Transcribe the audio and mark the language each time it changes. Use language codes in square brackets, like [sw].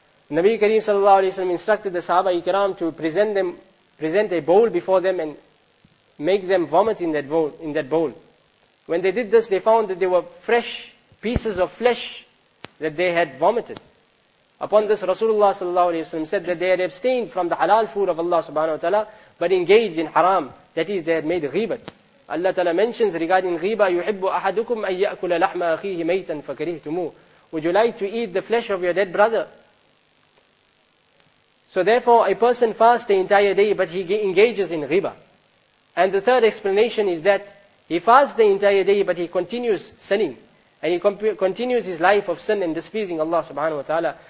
[en] Nabi Kareem sallallahu alayhi wasallam instructed the Sahaba Ikram to present a bowl before them and make them vomit in that bowl. When they did this, they found that there were fresh pieces of flesh that they had vomited. Upon this, Rasulullah sallallahu alayhi wasallam said that they had abstained from the halal food of Allah subhanahu wa ta'ala, but engaged in haram, that is, they had made ghibat. Allah ta'ala mentions regarding ghibah, [ar] يُحِبُّ أَحَدُكُمْ أَن يَأْكُلَ لَحْمَ أَخِيهِ مَيْتًا فَكَرِهْتُمُوهُ. [en] Would you like to eat the flesh of your dead brother? So therefore, a person fasts the entire day, but he engages in ghibah. And the third explanation is that he fasts the entire day, but he continues sinning. And he continues his life of sin and displeasing Allah subhanahu wa ta'ala.